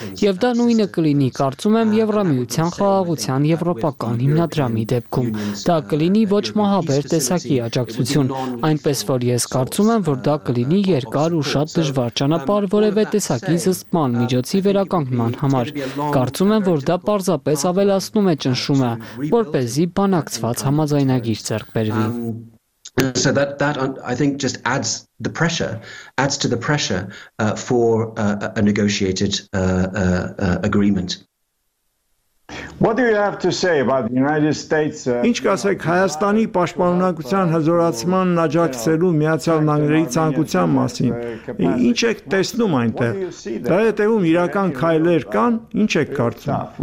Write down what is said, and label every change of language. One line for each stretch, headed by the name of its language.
Armenian: եւ դա նույնը կլինի, կարծում եմ, Եվրամիության խաղաղության եվրոպական հիմնադրամի դեպքում։ Դա կլինի ոչ մահաբեր տեսակի աջակցություն, այնպես որ ես կարծում եմ, որ դա կլինի երկար ու շատ դժվար ճանապարհ որևէ տեսակի զսպման միջոցի վերականգնման համար։ Կարծում եմ, որ դա պարզապես ավելացնում է ճնշումը, որպեսզի բանակցված համաձայնագիր ձեռքբերվի։
English: So that I think just adds to the pressure for a negotiated agreement. What do you have to say about the United States?
Armenian: Ինչ կասեք Հայաստանի պաշտպանական հզորացման աջակցելու Միացյալ Նահանգների ցանկության մասին։ Ինչ եք տեսնում այնտեղ։ Դա հետևում իրական քայլեր կան, ինչ եք կարծում։